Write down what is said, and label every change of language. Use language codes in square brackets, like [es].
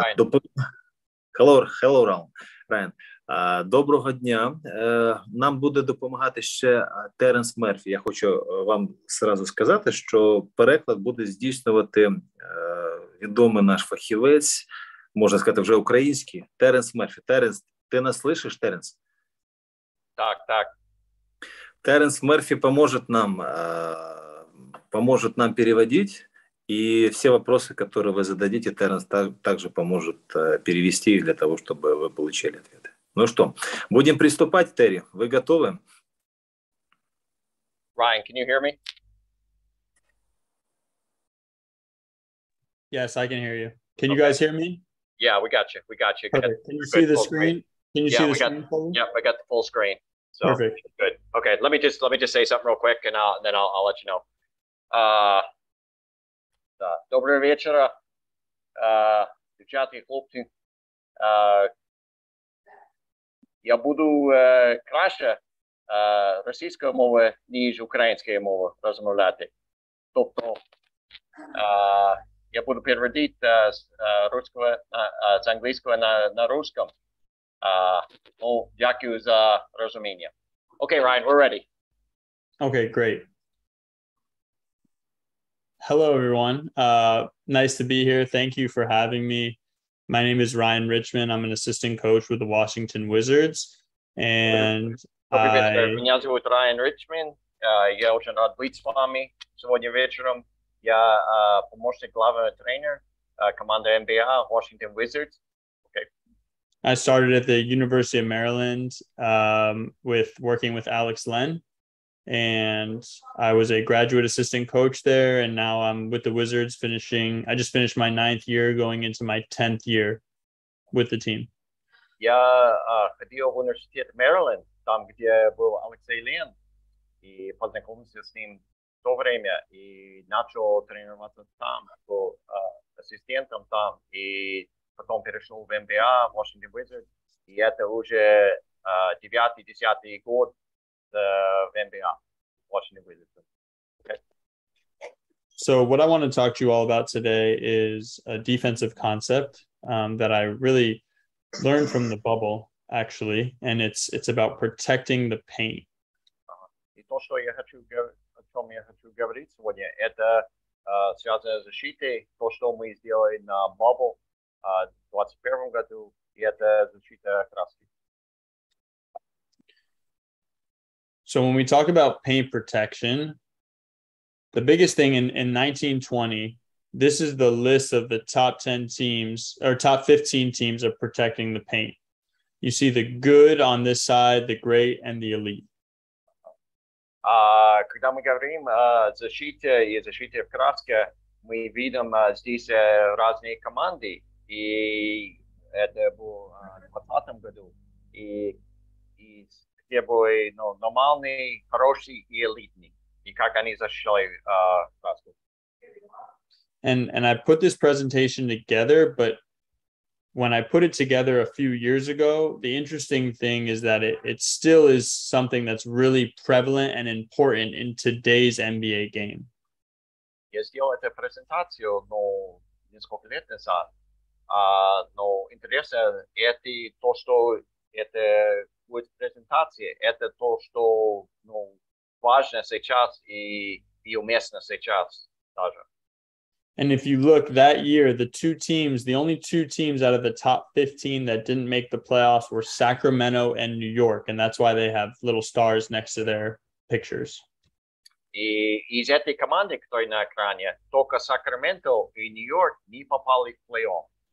[en] Hello, [uk] Райан. Доброго дня. Нам буде допомагати ще Теренс Мерфі. Я хочу вам зразу сказати, що переклад буде здійснювати відомий наш фахівець, можна сказати, вже український, Теренс Мерфі. [ru] Теренс, ти нас слышиш, Теренс? [uk] Так. [ru] Теренс Мерфі поможет нам переводити. И все вопросы, которые вы зададите, Теренс также поможет перевести их для того, чтобы вы получили ответы. Ну что, будем приступать, Терри. Вы готовы? [en] Ryan, can you hear me? Yes, I can hear you. Can you guys hear me? Yeah, we got you. We got you. Perfect. Can you see the screen? Can you see the screen? Yeah, I got the full screen. So, perfect. Good. Okay, let me just say something real quick, and then I'll let you know. [uk] Доброго вечора, дівчата і хлопці. Я буду краще російською мовою, ніж українською мовою розмовляти. Тобто я буду переводити з англійського на російському. Дякую за розуміння. [en] Okay, Ryan, we're ready. Okay, great. Hello, everyone. Nice to be here. Thank you for having me. My name is Ryan Richmond. I'm an assistant coach with the Washington Wizards. And [ru] меня зовут Райан Річман. [uk] Я дуже рад бути з вами сьогодні вечором. [ru] Я помощник главного тренера команди NBA Washington Wizards. [en] Okay. I started at the University of Maryland with working with Alex Len. And I was a graduate assistant coach there, and now I'm with the Wizards finishing. I just finished my 9th year going into my 10th year with the team. [uk] Я ходив в університет Мерленд, там, де був Алексей Лен, і познайомився з ним [ru] в то время, [uk] і почав тренуватися там, був асистентом там, і потім перейшов в NBA, в Washington Wizards, і це вже 9-10 год. [en] The NBA, Washington Wizards. Okay. So what I want to talk to you all about today is a defensive concept that I really learned from the bubble, actually, and it's about protecting the paint. [uk] І то, що я хочу говорити сьогодні, це связано з защитою, то, що ми зробили на bubble в 21-му году, і це защита краски. [en] So when we talk about paint protection, the biggest thing in 1920, this is the list of the top 10 teams or top 15 teams of protecting the paint. You see the good on this side, the great and the elite. [ru] Когда мы говорим о защите и защите в краске, мы видим здесь разные команды. И это было в 20-м году. Где были нормальные, хорошие и элитные. И как они защищали краску. [en] And I put this presentation together, but when I put it together a few years ago, the interesting thing is that it still is something that's really prevalent and important in today's NBA game. [ru] Я сделал эту презентацию, но несколько лет назад. Но интересно, это то, что это будет презентация, это то, что важно сейчас и уместно сейчас даже. [en] And if you look that year, the only two teams out of the top 15 that didn't make the playoffs were Sacramento and New York. And that's why they have little stars next to their pictures. [ru] И из этой команды, которая на экране, только Сакраменто и Нью-Йорк не попали в плей-офф.